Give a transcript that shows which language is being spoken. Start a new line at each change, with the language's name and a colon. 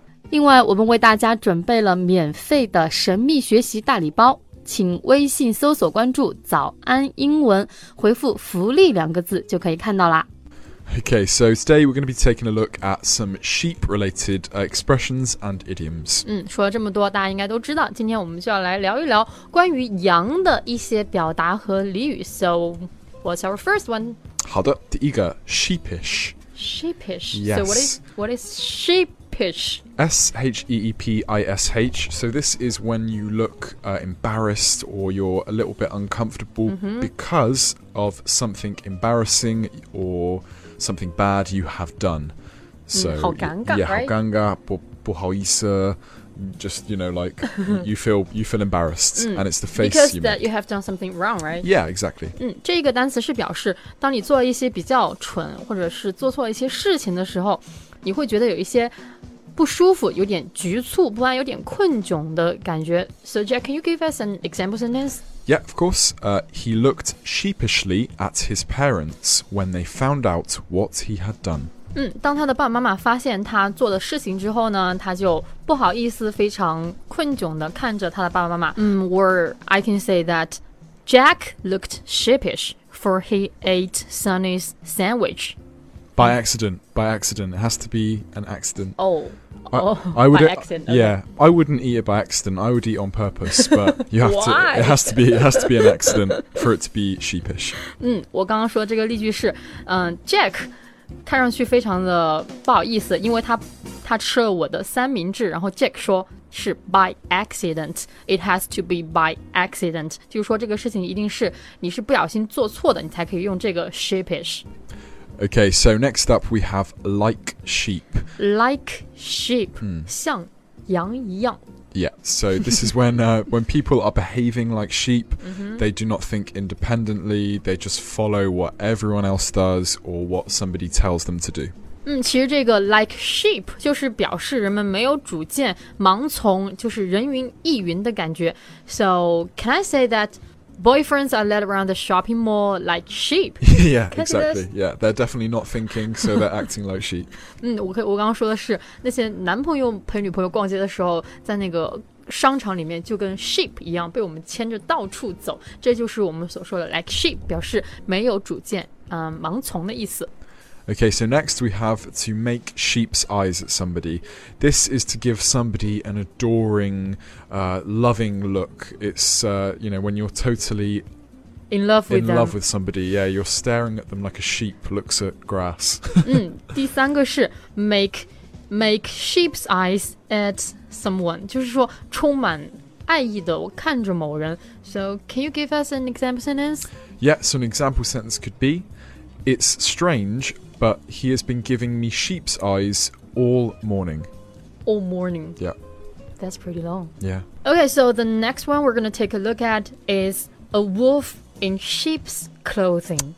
Chinese: 另外，我们为大家准备了免费的神秘学习大礼包，请微信搜索关注“早安英文”，回复“福利”两个字就可以看到啦。
English: Okay, so today we're going to be taking a look at some sheep-related expressions and idioms.
Chinese: 说了这么多，大家应该都知道，今天我们就要来聊一聊关于羊的一些表达和俚语。
English: So, what's our first one?
Chinese: 好的，第一个 sheepish.
English: Sheepish. Yes. So what is sheepish? S-H-E-E-P-I-S-H. So this is when you look embarrassed or you're a little bit uncomfortable、mm-hmm. because of something embarrassing or... something bad you have done. So,
Chinese: 好尴尬
English: yeah, right?
Chinese: 好尴尬 不好意思
English: just, you know, like, you feel embarrassed, and it's the face because you Because that you have done something wrong, right? Yeah, exactly.
Chinese: 这个单词是表示当你做一些比较蠢或者是做错一些事情的时候你会觉得有一些不舒服有点局促不安有点困窘的感觉
English: So Jack, can you give us an example sentence? Yeah, of course. He looked sheepishly at his parents when they found out what he had done.
Chinese: 当他的爸爸妈妈发现他做的事情之后呢，他就不好意思，非常困窘的看着他的爸爸妈妈。
English: Or I can say that Jack looked sheepish for he ate Sunny's sandwich. By accident. It has to be an accident. Oh, by accident, okay. Yeah, I wouldn't eat it by accident. I would eat on purpose, but you have to. It has to be an accident for it to be sheepish.
Chinese: 我刚刚说这个例句是，Jack 看上去非常的不好意思，因为他吃了我的三明治。然后 Jack 说是 by accident. It has to be by accident. 就是说这个事情一定是你是不小心做错的，你才可以用这个 sheepish.
English: Okay, so next up we have like sheep. Like sheep,、mm.
Chinese: 像羊一样
English: Yeah, so this is when, when people are behaving like sheep,、mm-hmm. they do not think independently, they just follow what everyone else does or what somebody tells them to do.
Chinese: 其实这个 like sheep 就是表示人们没有主见,盲从,就是人云亦云的感觉。
English: So, can I say that... Boyfriends are led around the shopping mall like sheep. Yeah, exactly. Yeah, they're definitely not thinking, so they're acting like sheep.
Chinese: 我刚刚说的是那些男朋友陪女朋友逛街的时候，在那个商场里面就跟 sheep 一样被我们牵着到处走。这就是我们所说的 like sheep， 表示没有主见，盲从的意思。
English: Okay, so next we have to make sheep's eyes at somebody. This is to give somebody an adoring, loving look. It's, you know, when you're totally in love with somebody. Yeah, you're staring at them like a sheep looks at grass.
Chinese: 第三个是 make sheep's eyes at someone. 就是说充满爱意的我看着某人。
English: So can you give us an example sentence? Yeah, so an example sentence could be, it's strange... But he has been giving me sheep's eyes all morning. All morning. Yeah. That's pretty long. Yeah. Okay, so the next one we're going to take a look at is a wolf in sheep's clothing.